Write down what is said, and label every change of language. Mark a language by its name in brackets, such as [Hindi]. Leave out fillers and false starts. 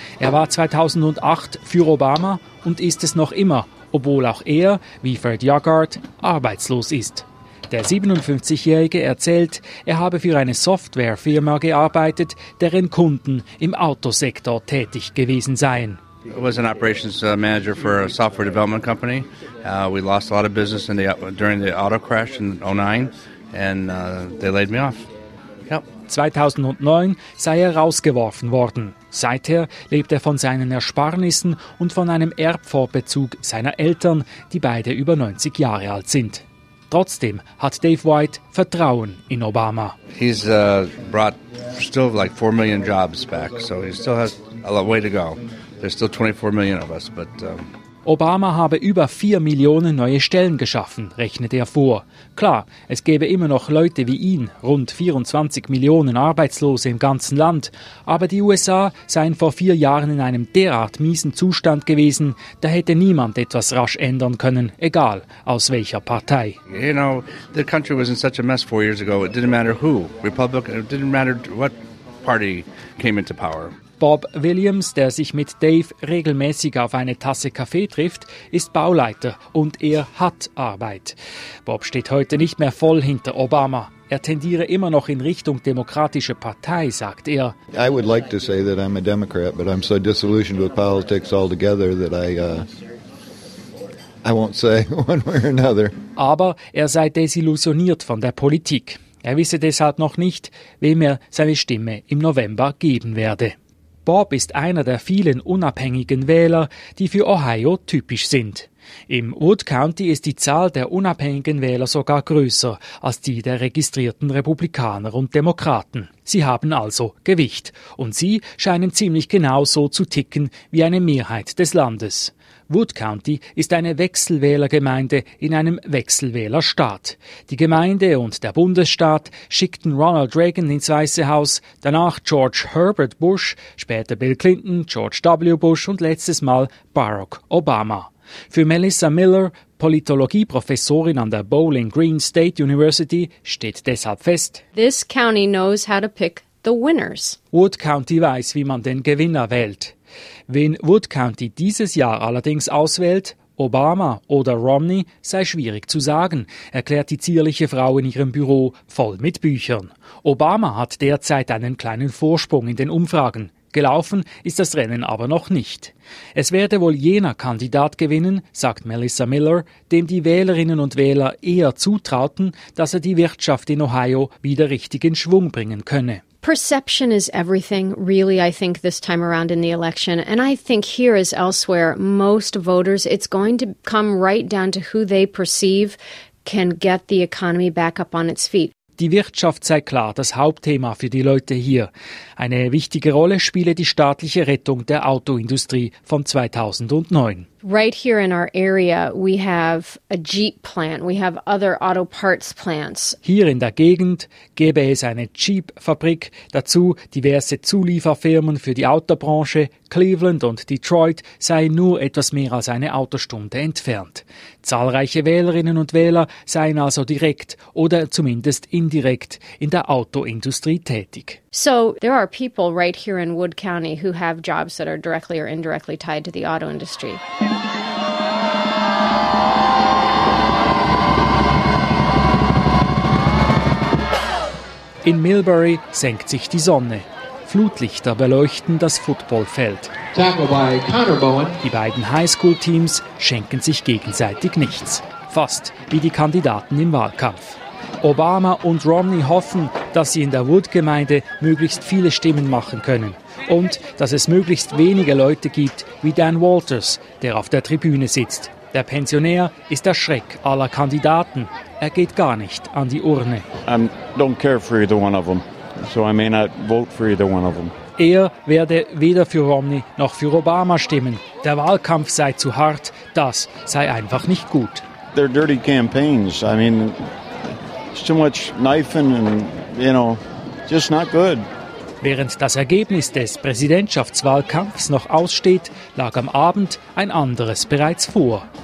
[German] Er war 2008 für Obama und ist es noch immer, obwohl auch er, wie Fred Yagard, arbeitslos ist. Der 57-Jährige erzählt, er habe für eine Softwarefirma gearbeitet, deren Kunden im Autosektor tätig gewesen seien. [English] I was an operations manager for a software development company. We lost a lot of business during the auto crash in 2009 and they laid me off. [German] Yep. 2009 sei er rausgeworfen worden. Seither lebt er von seinen Ersparnissen und von einem Erbvorbezug seiner Eltern, die beide über 90 Jahre alt sind. Trotzdem hat Dave White Vertrauen in Obama. [English] He's brought still like 4 million jobs back, so he still has a long way to go. There's still 24 million of us, but [German] Obama habe über 4 Millionen neue Stellen geschaffen, rechnet er vor. Klar, es gäbe immer noch Leute wie ihn, rund 24 Millionen Arbeitslose im ganzen Land. Aber die USA seien vor 4 Jahren in einem derart miesen Zustand gewesen, da hätte niemand etwas rasch ändern können, egal aus welcher Partei. [English] You know, the country was in such a mess 4 years ago. It didn't matter who, Republican, it didn't matter what Party came into power. [German] Bob Williams, der sich mit Dave regelmäßig auf eine Tasse Kaffee trifft, ist Bauleiter und er hat Arbeit. Bob steht heute nicht mehr voll hinter Obama. Er tendiere immer noch in Richtung demokratische Partei, sagt er. [English] I would like to say that I'm a Democrat, but I'm so disillusioned with politics altogether that I won't say one way or another. [German] Aber er sei desillusioniert von der Politik. Er wisse deshalb noch nicht, wem er seine Stimme im November geben werde. Bob ist einer der vielen unabhängigen Wähler, die für Ohio typisch sind. Im Wood County ist die Zahl der unabhängigen Wähler sogar größer als die der registrierten Republikaner und Demokraten. Sie haben also Gewicht. Und sie scheinen ziemlich genau so zu ticken wie eine Mehrheit des Landes. Wood County ist eine Wechselwählergemeinde in einem Wechselwählerstaat. Die Gemeinde und der Bundesstaat schickten Ronald Reagan ins Weiße Haus, danach George Herbert Bush, später Bill Clinton, George W. Bush und letztes Mal Barack Obama. Für Melissa Miller, Politologieprofessorin an der Bowling Green State University, steht deshalb fest: [English] This county knows how to pick the winners. [German] Wood County weiß, wie man den Gewinner wählt. Wen Wood County dieses Jahr allerdings auswählt, Obama oder Romney, sei schwierig zu sagen, erklärt die zierliche Frau in ihrem Büro voll mit Büchern. Obama hat derzeit einen kleinen Vorsprung in den Umfragen. Gelaufen ist das Rennen aber noch nicht. Es werde wohl jener Kandidat gewinnen, sagt Melissa Miller, dem die Wählerinnen und Wähler eher zutrauten, dass er die Wirtschaft in Ohio wieder richtig in Schwung bringen könne. [English] Perception is everything, really, I think, this time around in the election. And I think here as elsewhere, most voters, it's going to come right down to who they perceive can get the economy back up on its feet. [German] Die Wirtschaft sei klar das Hauptthema für die Leute hier. Eine wichtige Rolle spiele die staatliche Rettung der Autoindustrie von 2009. [English] Right here in our area we have a Jeep plant, we have other auto parts plants. [German] Hier in der Gegend gäbe es eine Jeep-Fabrik, dazu diverse Zulieferfirmen für die Autobranche. Cleveland und Detroit seien nur etwas mehr als eine Autostunde entfernt. Zahlreiche Wählerinnen und Wähler seien also direkt oder zumindest indirekt in der Autoindustrie tätig. [English] So there are people right here in Wood County who have jobs that are directly or indirectly tied to the auto industry. [German] In Millbury senkt sich die Sonne. Flutlichter beleuchten das Footballfeld. Die beiden Highschool-Teams schenken sich gegenseitig nichts. Fast wie die Kandidaten im Wahlkampf. Obama und Romney hoffen, dass sie in der Wood-Gemeinde möglichst viele Stimmen machen können. Und dass es möglichst wenige Leute gibt wie Dan Walters, der auf der Tribüne sitzt. Der Pensionär ist der Schreck aller Kandidaten. Er geht gar nicht an die Urne. [English] I don't care for either one of them, so I may not vote for either one of them. [German] Er werde weder für Romney noch für Obama stimmen. Der Wahlkampf sei zu hart, das sei einfach nicht gut. [English] They're dirty campaigns. I mean, it's too much knifing and, you know, just not good. [German] Während das Ergebnis des Präsidentschaftswahlkampfs noch aussteht, lag am Abend ein anderes bereits vor.